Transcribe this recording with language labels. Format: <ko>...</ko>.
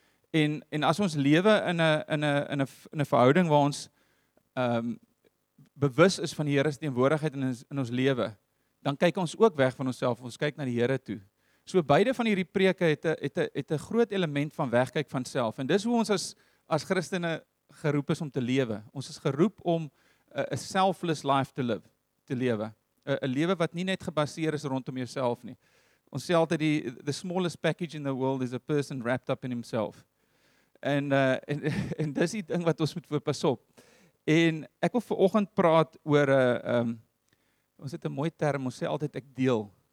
<af>En as ons lewe in 'n verhouding waar ons bewus is van die Here se teenwoordigheid in ons lewe, dan kyk ons ook weg van onsself, ons kyk na die Here toe. So beide van hierdie preke het 'n groot element van wegkyk van self, en dis hoe ons as Christene geroep is om te lewe. Ons is geroep om 'n selfless life te lewe. 'n lewe wat nie net gebaseer is rondom jouself nie. Ons sê altyd</af> <en>the smallest package in the world is a person wrapped up in himself.</en> <af>En dis die ding wat ons moet fokus op. En ek wil vanoggend praat oor 'n ons het 'n mooi term, ons sê altyd ek deel.</af>